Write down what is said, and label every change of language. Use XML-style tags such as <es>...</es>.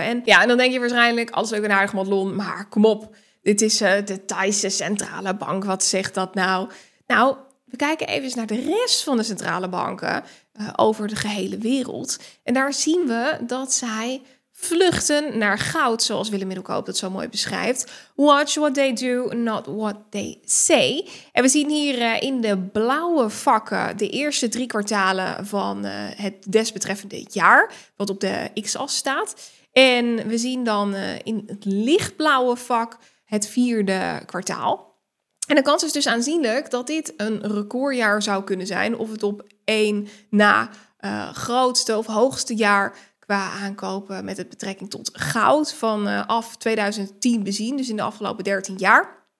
<nl>En ja, en dan denk je waarschijnlijk, alles leuk en aardig Madelon, maar kom op, dit is de Thaise centrale bank, wat zegt dat nou? Nou, we kijken even eens naar de rest van de centrale banken over de gehele wereld. En daar zien we dat zij vluchten naar goud, zoals Willem Middelkoop dat zo mooi beschrijft.</nl> <en>Watch what they do, not what they say.</en> <nl>En we zien hier in de blauwe vakken de eerste drie kwartalen van het desbetreffende jaar, wat op de X-as staat. En we zien dan in het lichtblauwe vak het vierde kwartaal. En de kans is dus aanzienlijk dat dit een recordjaar zou kunnen zijn, of het op één na grootste of hoogste jaar qua aankopen met het betrekking tot goud van af 2010 bezien, dus in de afgelopen 13 jaar.</nl>